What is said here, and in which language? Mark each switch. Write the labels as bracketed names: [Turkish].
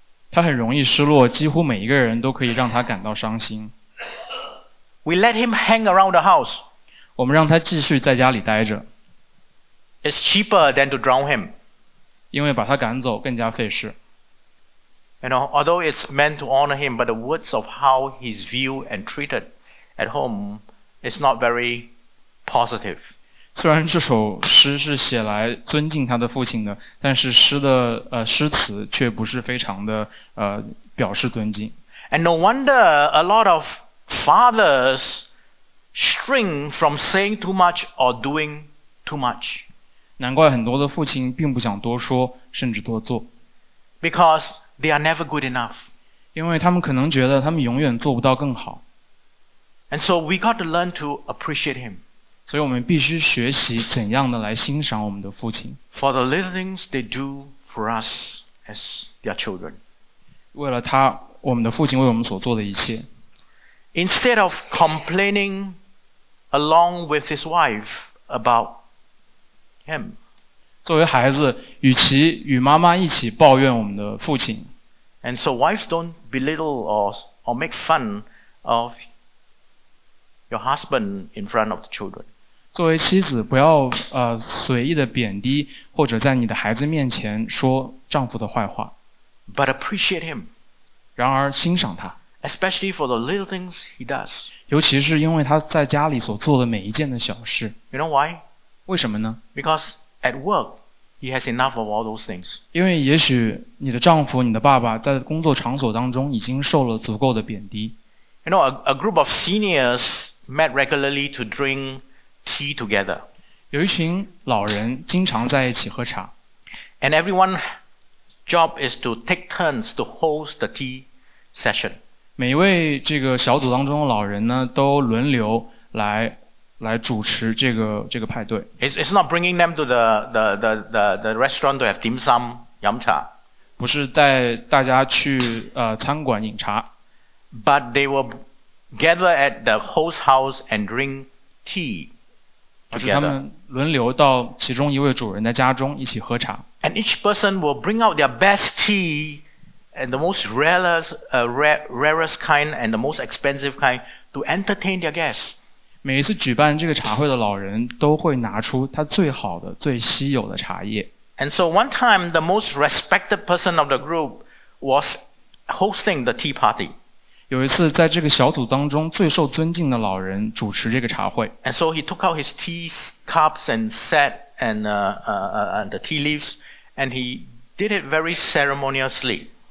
[Chinese] 他很容易失落，几乎每一个人都可以让他感到伤心。 [English] We let him hang around the house. [Chinese] 我们让他继续在家里待着。 [English] It's cheaper than to drown him. [Chinese] 因为把他赶走更加费事。 [English] And although it's meant to honor him, but the words of how he's viewed and treated at home is not very positive. [Chinese] 虽然这首诗是写来尊敬他的父亲的，但是诗的诗词却不是非常的表示尊敬。 [English] And no wonder a lot of fathers shrink from saying too much or doing too much. [Chinese] 难怪很多的父亲并不想多说，甚至多做。 [English] Because they are never good enough. [Chinese] 因为他们可能觉得他们永远做不到更好。 [English] And so we got to learn to appreciate him. [Chinese] 所以我们必须学习怎样的来欣赏我们的父亲。 [English] For the little things they do for us as their children. [Chinese] 为了他，我们的父亲为我们所做的一切。 [English] Instead of complaining along with his wife about him. [Chinese] 作为孩子，与其与妈妈一起抱怨我们的父亲。 [English] And so wives don't belittle or make fun of your husband in front of the children. [Chinese] 作为妻子，不要随意的贬低或者在你的孩子面前说丈夫的坏话。 [English] But appreciate him. [Chinese] 然而欣赏他。 [English] Especially for the little things he does. [Chinese] 尤其是因为他在家里所做的每一件的小事。 [English] You know why? [Chinese] 为什么呢？ [English] Because at work, he has enough of all those things. [Chinese] 因为也许你的丈夫，你的爸爸在工作场所当中已经受了足够的贬低。 [English] You know, a group of seniors met regularly to drink tea together. [Chinese] 有一群老人经常在一起喝茶。 [English] And everyone's job is to take turns to host the tea session. [Chinese] 每一位这个小组当中的老人呢，都轮流来主持这个派对。 [English] It's not bringing them to the restaurant to have dim sum, 饮茶。 [Chinese] 不是带大家去餐馆饮茶。 [English] But they will gather at the host house and drink tea together. [Chinese] 而是他们轮流到其中一位主人的家中一起喝茶。 [English] And each person will bring out their best tea and the most rarest kind and the most expensive kind to entertain their guests. [Chinese] 每一次举办这个茶会的老人都会拿出他最好的、最稀有的茶叶。 [English] And so one time, the most respected person of the group was hosting the tea party. [Chinese] 有一次在这个小组当中最受尊敬的老人主持这个茶会。 [English] And so he took out his tea cups and set and the tea leaves, and he did it very ceremoniously.